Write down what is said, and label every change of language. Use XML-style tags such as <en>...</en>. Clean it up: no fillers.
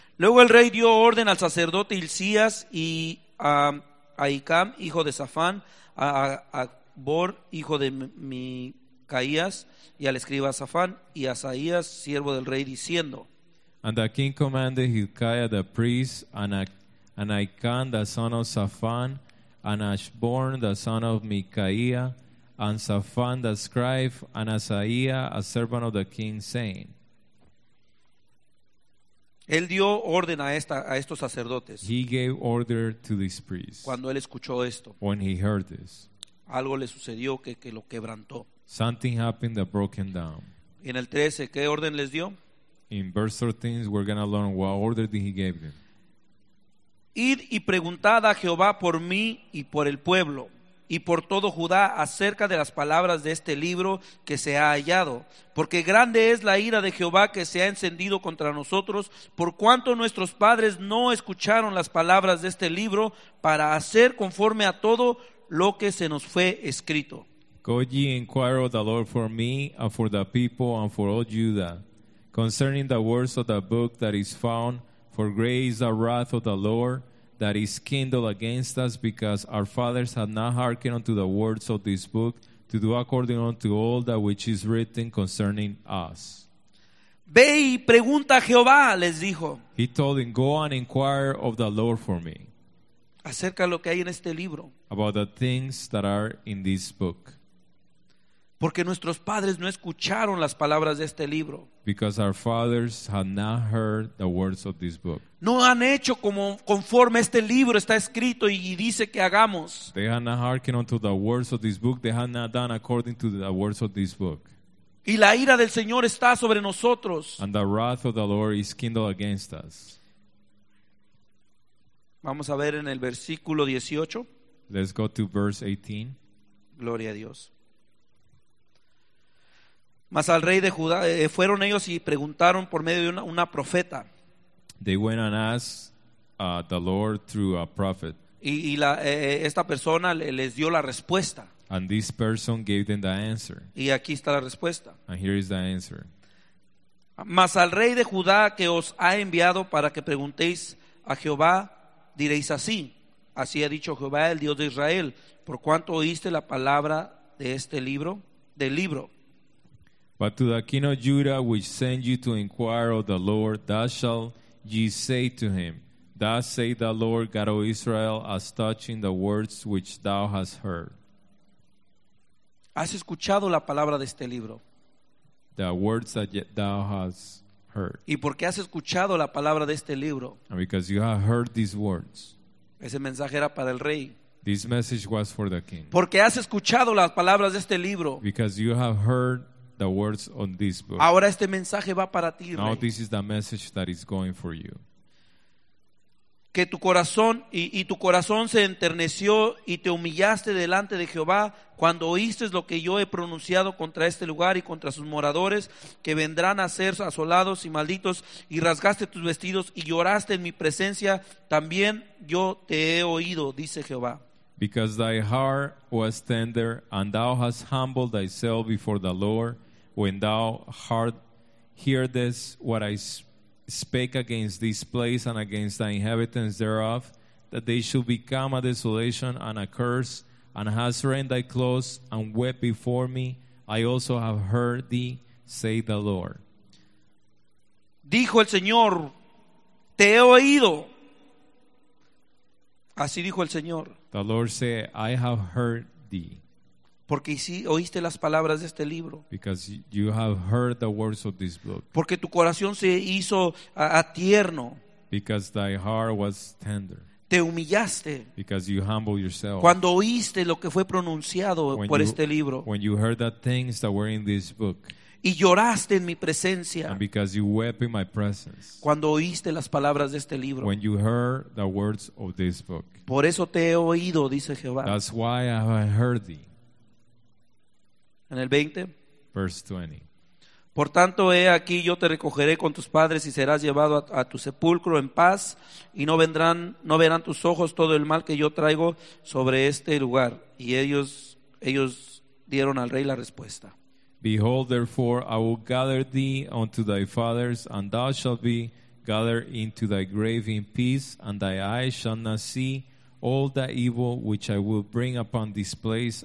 <es>Luego el rey dio orden al sacerdote Hilcías y a Ahicam, hijo de Safán, a Bor, hijo de Micaías, y al escriba Safán, y a Asaías, siervo del rey, diciendo.</es> <en>And the king commanded Hilkiah the priest, and Ahicam the son of Safán, and Ashborn the son of Micaiah, and Safán the scribe, and Asaías, a servant of the king, saying.</en> <es>Él dio orden a estos sacerdotes.</es> <en>He gave order to these priests.</en> <es>Cuando él escuchó esto.</es> <en>When he heard this.</en> <es>Algo le sucedió que lo quebrantó.</es> <en>Something happened that broke him down.</en> <es>En el 13, ¿qué orden les dio?</es> <en>In verse 13, we're going to learn what order did he give them.</en> <es>Id y preguntad a Jehová por mí y por el pueblo. y por todo Judá acerca de las palabras de este libro que se ha hallado. Porque grande es la ira de Jehová que se ha encendido contra nosotros, por cuanto nuestros padres no escucharon las palabras de este libro para hacer conforme a todo lo que se nos fue escrito.</es> <en>Go ye inquire of the Lord for me, and for the people, and for all Judah, concerning the words of the book that is found. For great is the wrath of the Lord that is kindled against us, because our fathers had not hearkened unto the words of this book, to do according unto all that which is written concerning us.</en> <es>Ve y pregunta a Jehová, les dijo.</es> <en>He told him, go and inquire of the Lord for me.</en> <es>Acerca de lo que hay en este libro.</es> <en>About the things that are in this book.</en> <es>Porque nuestros padres no escucharon las palabras de este libro.</es> <en>Because our fathers had not heard the words of this book.</en> <es>No han hecho como conforme este libro está escrito y dice que hagamos.</es> <en>They had not hearkened unto the words of this book. They had not done according to the words of this book.</en> <es>Y la ira del Señor está sobre nosotros.</es> <en>And the wrath of the Lord is kindled against us.</en> <es>Vamos a ver en el versículo 18.</es> <en>Let's go to verse 18.</en> <es>Gloria a Dios. Mas al rey de Judá fueron ellos y preguntaron por medio de una profeta.</es> <en>They went and asked the Lord through a prophet.</en> <es>Y esta persona les dio la respuesta.</es> <en>And this person gave them the answer.</en> <es>Y aquí está la respuesta.</es> <en>And here is the answer.</en> <es>Mas al rey de Judá que os ha enviado para que preguntéis a Jehová, diréis así: así ha dicho Jehová, el Dios de Israel, por cuanto oíste la palabra de este libro, del libro.</es> <en>But to the king of Judah, which sent you to inquire of the Lord, thus shall ye say to him, thus say the Lord God of Israel, as touching the words which thou hast heard.</en> <es>¿Has escuchado la palabra de este libro?</es> <en>The words that thou hast heard.</en> <es>¿Y por qué has escuchado la palabra de este libro?</es> <en>And because you have heard these words.</en> <es>Ese mensaje era para el rey.</es> <en>This message was for the king.</en> <es>Porque has escuchado las palabras de este libro.</es> <en>Because you have heard the words on this book.</en> <es>Ahora este mensaje va para ti, rey.</es> <en>Now this is the message that is going for you.</en> <es>Que tu corazón y tu corazón se enterneció y te humillaste delante de Jehová cuando oíste lo que yo he pronunciado contra este lugar y contra sus moradores, que vendrán a ser asolados y malditos, y rasgaste tus vestidos y lloraste en mi presencia, también yo te he oído, dice Jehová.</es> <en>Because thy heart was tender, and thou hast humbled thyself before the Lord, when thou heardest what I spake against this place and against the inhabitants thereof, that they should become a desolation and a curse, and hast rent thy clothes and wept before me, I also have heard thee, say the Lord.</en> <es>Dijo el Señor, te he oído. Así dijo el Señor.</es> <en>The Lord said, I have heard thee.</en> <es>Porque oíste las palabras de este libro.</es> <en>Because you have heard the words of this book.</en> <es>Porque tu corazón se hizo a tierno.</es> <en>Because thy heart was tender.</en> <es>Te humillaste.</es> <en>Because you humbled yourself.</en> <es>Cuando oíste lo que fue pronunciado por este libro.</es> <en>When you heard the things that were in this book.</en> <es>Y lloraste en mi presencia.</es> <en>And because you wept in my presence.</en> <es>Cuando oíste las palabras de este libro.</es> <en>When you heard the words of this book.</en> <es>Por eso te he oído, dice Jehová.</es> <en>That's why I have heard thee.</en> <es>En el 20.</es> <en>Verse 20.</en> <es>Por tanto, he aquí, yo te recogeré con tus padres y serás llevado a tu sepulcro en paz, y no verán tus ojos todo el mal que yo traigo sobre este lugar. Y ellos dieron al rey la respuesta.</es> <en>Behold, therefore, I will gather thee unto thy fathers, and thou shalt be gathered into thy grave in peace, and thy eyes shall not see all the evil which I will bring upon this place.</en>